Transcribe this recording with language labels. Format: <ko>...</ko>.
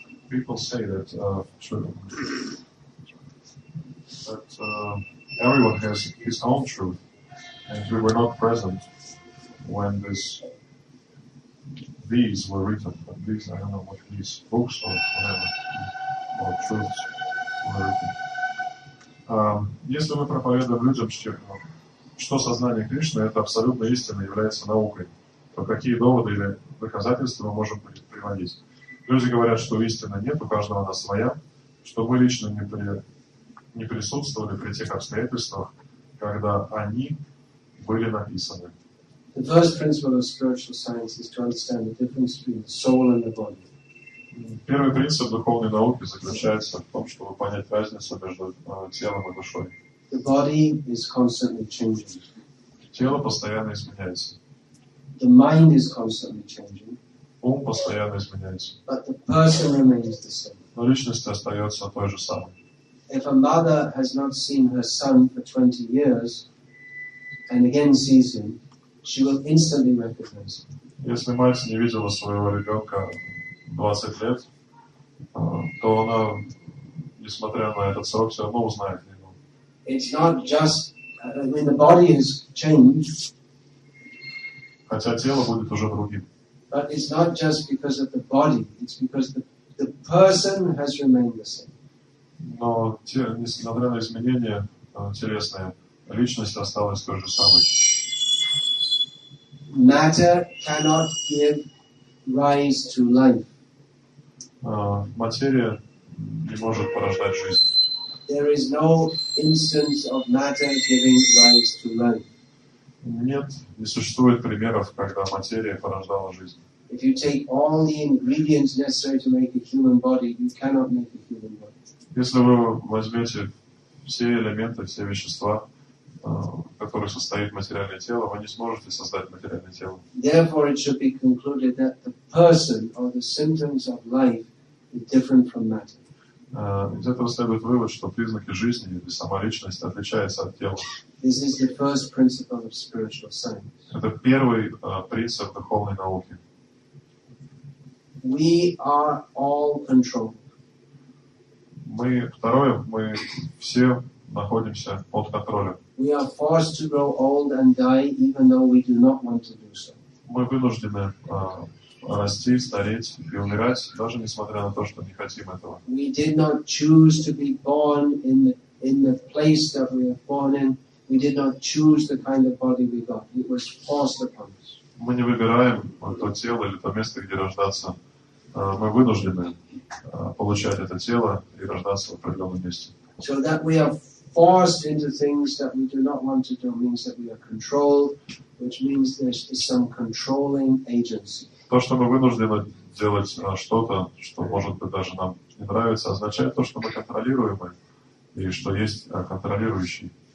<en>People say that everyone has his own truth, and we were not present when these were written. But these, I don't know what these books or whatever or truths were written.</en> <ru>Если мы проповедуем людям, что сознание Кришны это абсолютная истина, является наукой, то какие доводы или доказательства мы можем приводить? Люди говорят, что истины нет, у каждого она своя, что мы лично не присутствовали при тех обстоятельствах, когда они были написаны.</ru> <en>The first principle of spiritual science is to understand the difference between the soul and the body.</en> <ru>Первый принцип духовной науки заключается в том, чтобы понять разницу между телом и душой.</ru> <en>The body is constantly changing.</en> <ru>Тело постоянно изменяется.</ru> <en>The mind is constantly changing.</en> <ru>Ум постоянно изменяется.</ru> <en>But the person remains the same.</en> <ru>Но личность остается той же самой.</ru> <en>If a mother has not seen her son for 20 years and again sees him, she will instantly recognize him.</en> <ru>Если мать не видела своего ребенка 20 лет, то она, несмотря на этот срок, все равно узнает его.</ru> <en>It's not just, I mean, the body has changed.</en> <ru>Хотя тело будет уже другим.</ru> <en>But it's not just because of the body, it's because the person has remained the same.</en> <ru>Но несмотря на изменения телесные, личность осталась той же самой.</ru> <en>Matter cannot give rise to life.</en> <ru>Материя не может порождать жизнь.</ru> <en>There is no instance of matter giving rise to life.</en> <ru>Нет, не существует примеров, когда материя порождала жизнь.</ru> <en>If you take all the ingredients necessary to make a human body, you cannot make a human body.</en> <ru>Если вы возьмете все элементы, все вещества, в которых состоит материальное тело, вы не сможете создать материальное тело.</ru> <en>Therefore, it should be concluded that the person or the symptoms of life is different from matter.</en> <ru>Из этого следует вывод, что признаки жизни или сама личность отличаются от тела.</ru> <en>This is the first principle of spiritual science.</en> <ru>Это первый принцип духовной науки.</ru> <en>We are all controlled.</en> <ru>Мы все находимся под контролем. Мы вынуждены расти, стареть и умирать, даже несмотря на то, что не хотим этого.</ru> <en>We did not choose to be born in the place that we are born in. We did not choose the kind of body we got. It was forced upon us.</en> <ru>Мы не выбираем то тело или то место, где рождаться. Мы вынуждены получать это тело и рождаться в определенном месте.</ru> <en>So that we are forced into things that we do not want to do means that we are controlled, which means there is some controlling agency.</en> <ru>То, что мы вынуждены делать что-то, что может быть даже нам не нравится, означает то, что мы контролируемы и что есть контролирующий.</ru>